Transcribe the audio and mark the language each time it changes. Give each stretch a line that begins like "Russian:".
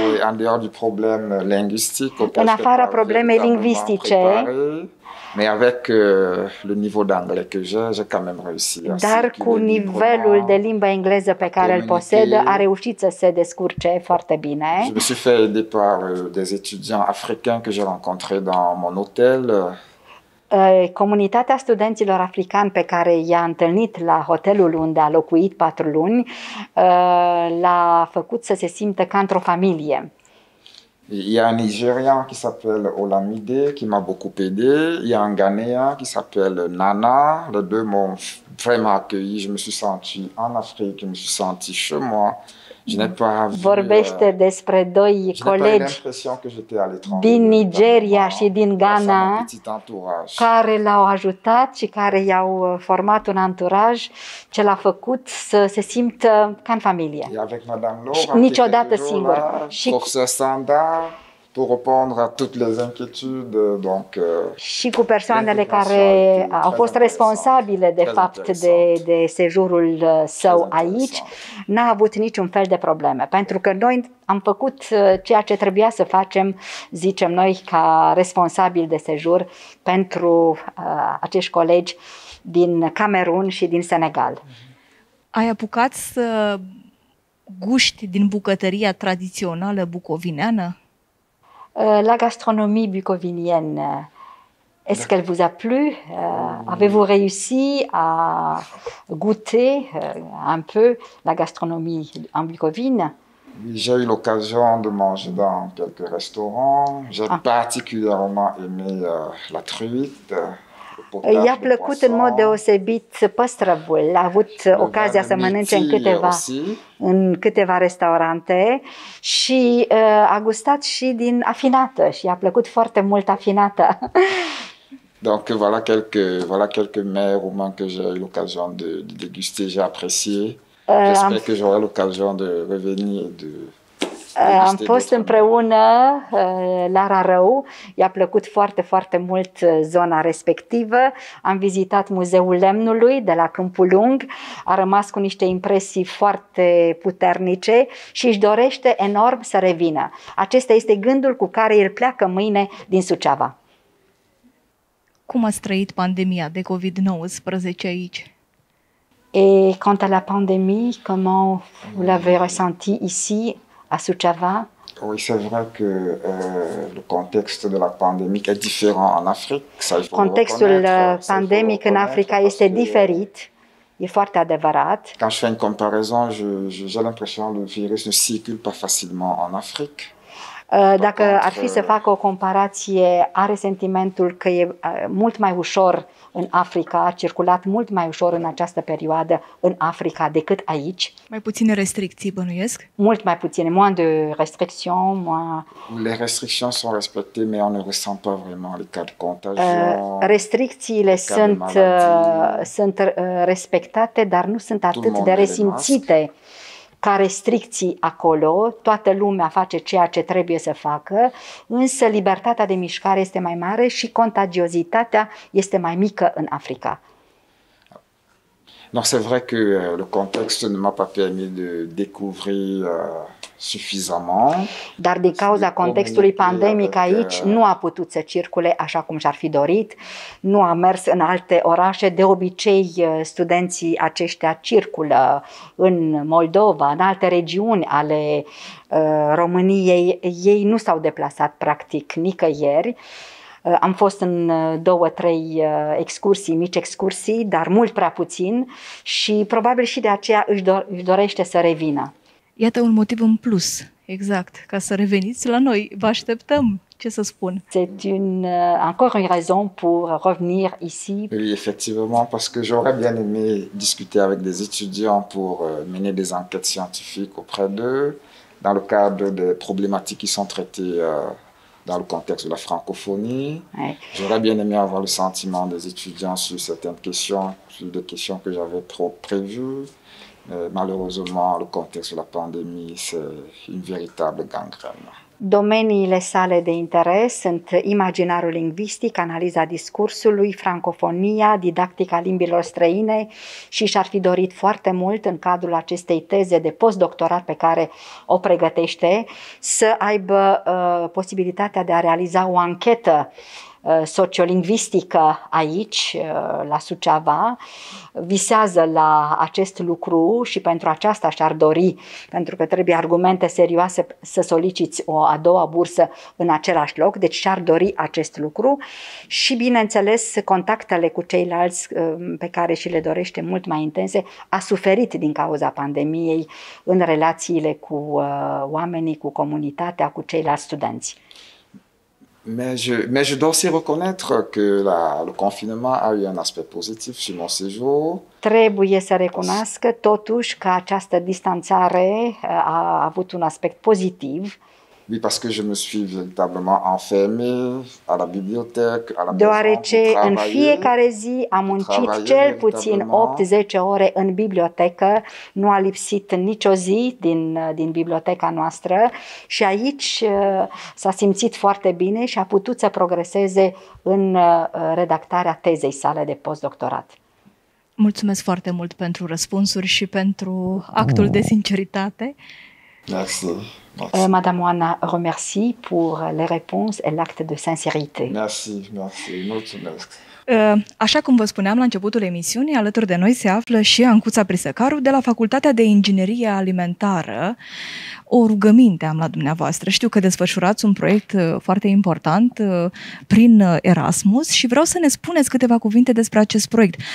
French: În dehors du problème linguistique,
Romanian: în afara problemei linguistice.
French: Mais avec le niveau d'anglais que j'ai quand même réussi.
Romanian: Dar cu nivelul de limbă engleză pe care îl posedă, a reușit să se descurce foarte bine.
French: Je me suis fait aider par des étudiants africains que j'ai rencontrés dans mon hôtel.
Romanian: Comunitatea studenților africani pe care i-a întâlnit la hotelul unde a locuit 4 luni, l-a făcut să se simtă ca într-o familie.
French: Il y a un Nigérian qui s'appelle Olamide qui m'a beaucoup aidé. Il y a un Ghanéen qui s'appelle Nana. Les deux m'ont vraiment accueilli. Je me suis senti en Afrique, je me suis senti chez moi. Je n'ai pas
Romanian: vorbește despre doi colegi din Nigeria și din Ghana care l-au ajutat și care i-au format un anturaj ce l-a făcut să se simtă ca în familie. Niciodată singur. Și
French: pour se standard, pour répondre à toutes les inquiétudes, donc
Romanian: și cu persoanele care au fost responsabile de fapt de sejurul său aici, n-a avut niciun fel de probleme, pentru că noi am făcut ceea ce trebuia să facem, zicem noi, ca responsabil de sejur pentru acești colegi din Camerun și din Senegal. Ai apucat să guști din bucătăria tradițională bucovineană?
French: La gastronomie bucovinienne, est-ce qu'elle vous a plu? Avez-vous réussi à goûter un peu la gastronomie en Bucovine? J'ai eu l'occasion de manger dans quelques restaurants. J'ai particulièrement aimé la truite.
Romanian: I-a plăcut în mod deosebit păstrăvul. A avut ocazia să mănânce în câteva restaurante și a gustat și din afinată și i-a plăcut foarte mult afinată.
French: Donc voilà quelques mets roumains que j'ai eu l'occasion de déguster, j'ai apprécié. J'espère que j'aurai l'occasion de revenir et de
Romanian: Am fost împreună la Rarău. I-a plăcut foarte, foarte mult zona respectivă. Am vizitat Muzeul Lemnului de la Câmpul Lung. A rămas cu niște impresii foarte puternice și își dorește enorm să revină. Acesta este gândul cu care el pleacă mâine din Suceava. Cum a trăit pandemia de COVID-19 aici?
French: Et quant à la pandémie, comment vous l'avez ressenti ici? Oui, c'est vrai que le contexte de la pandémie est différent en Afrique. Ça, je contexte le pandémique en Afrique est différent. Il est fort
Romanian: adevărat.
French: Quand je fais une comparaison, j'ai l'impression que le virus ne circule pas facilement en Afrique.
Romanian: Dacă ar fi să facă o comparație, are sentimentul că e mult mai ușor în Africa, a circulat mult mai ușor în această perioadă în Africa decât aici. Mai puține restricții, bănuiesc? Mult mai puține,
French: moins de restrictions, moins... Les restrictions sont respectées, mais on ne ressent pas vraiment les cas de contagion.
Romanian: Restricțiile sunt, sunt respectate, dar nu sunt atât de resimțite. Ca restricții acolo, toată lumea face ceea ce trebuie să facă, însă libertatea de mișcare este mai mare și contagiozitatea este mai mică în Africa.
French: Non, c'est vrai que le contexte ne m'a pas permis de découvrir suffisamment.
Romanian: Dar din cauza contextului pandemic aici nu a putut să circule așa cum și-ar fi dorit, nu a mers în alte orașe. De obicei, studenții aceștia circulă în Moldova, în alte regiuni ale României. Ei nu s-au deplasat practic nicăieri. Am fost în două, trei excursii, mici excursii, dar mult prea puțin și probabil și de aceea își dorește să revină. Iată un motiv în plus, exact, ca să reveniți la noi. Vă așteptăm, ce să spun.
French: C'est une, encore une raison pour revenir ici. Oui, effectivement, parce que j'aurais bien aimé discuter avec des étudiants pour mener des enquêtes scientifiques auprès d'eux, dans le cadre des problématiques qui sont traitées dans le contexte de la francophonie. Ouais. J'aurais bien aimé avoir le sentiment des étudiants sur certaines questions, sur des questions que j'avais prévues. Malheureusement, le contexte de la pandémie, c'est une véritable gangrène.
Romanian: Domeniile sale de interes sunt imaginarul lingvistic, analiza discursului, francofonia, didactica limbilor străine și și-ar fi dorit foarte mult în cadrul acestei teze de postdoctorat pe care o pregătește să aibă posibilitatea de a realiza o anchetă sociolingvistică aici, la Suceava, visează la acest lucru și pentru aceasta și-ar dori, pentru că trebuie argumente serioase să soliciți o a doua bursă în același loc, deci și-ar dori acest lucru și, bineînțeles, contactele cu ceilalți pe care și le dorește mult mai intense, a suferit din cauza pandemiei în relațiile cu oamenii, cu comunitatea, cu ceilalți studenți.
French: Mais je dois aussi reconnaître que le confinement a eu un aspect positif sur mon séjour.
Romanian: Trebuie să recunoască totuși că această distanțare a avut un aspect pozitiv.
French: Oui, parce que je me suis véritablement enfermé à la bibliothèque, à la maison.
Romanian: Deoarece în fiecare zi am muncit cel puțin 8-10 ore în bibliotecă, nu a lipsit nicio zi din biblioteca noastră și aici s-a simțit foarte bine și a putut să progreseze în redactarea tezei sale de postdoctorat. Mulțumesc foarte mult pentru răspunsuri și pentru actul de sinceritate.
French: Merci. Madame Oana, remercie pour les réponses et l'acte de sincérité. Merci, merci,
Romanian: mulțumesc. Așa cum vă spuneam la începutul emisiunii, alături de noi se află și Ancuța Prisăcaru de la Facultatea de Inginerie Alimentară. O rugăminte am la dumneavoastră. Știu că desfășurați un proiect foarte important prin Erasmus și vreau să ne spuneți câteva cuvinte despre acest proiect.